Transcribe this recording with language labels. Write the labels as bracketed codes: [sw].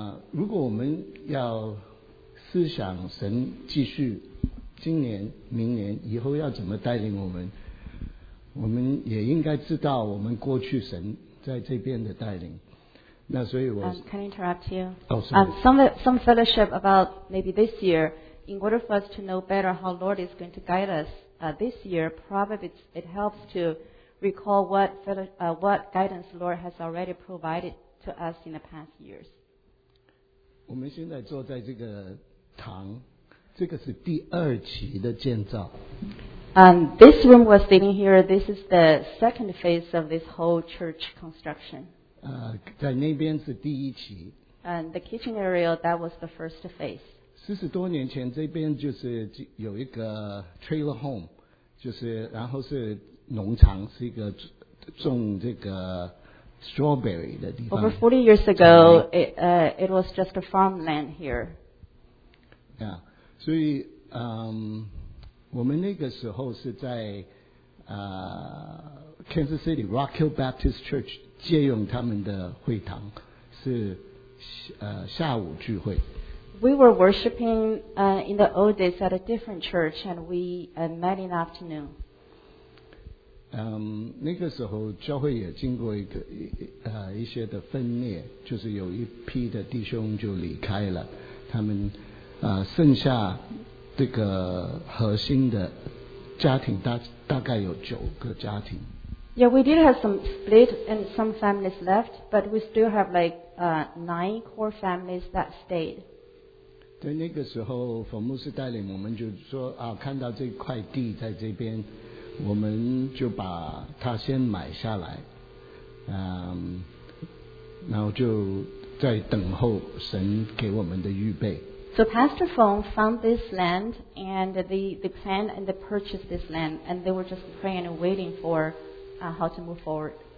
[zh] 如果我们要思想神继续今年明年以后要怎么带领我们，我们也应该知道我们过去神在这边的带领。那所以我 [en] Can I interrupt you? Some fellowship about maybe this year, in order for us to know better how Lord is going to guide us this year, probably it helps to recall what guidance the Lord has already provided to us in the past years. [zh] 我们现在坐在这个堂，这个是第二期的建造。 [en] This room was sitting here. This is the second phase of this whole church construction. [zh] 在那边是第一期。 [en] And the kitchen area, that was the first phase. [zh] 四十多年前，这边就是有一个 trailer home， 就是然后是农场，是一个种这个。 Strawberry 的地方。 [en] Over 40 years ago, it was just a farmland here. [zh] Yeah, 所以我们那个时候是在Kansas City Rock Hill Baptist Church 借用他们的会堂，是下午聚会。 [en] We were worshiping in the old days at a different church, and we met in the afternoon. [zh] 那个时候教会也经过一些的分裂，就是有一批的弟兄就离开了，他们剩下这个核心的家庭大概有九个家庭。 [en] Yeah, we did have some split and some families left, but we still have like nine core families that stayed. [zh] 对，那个时候冯牧师带领我们就说啊，看到这块地在这边。我们就把它先买下来，然后就在等候神给我们的预备。 [en] So Pastor Fong found this land and the plan and they purchased this land and they were just praying and waiting for how to move forward.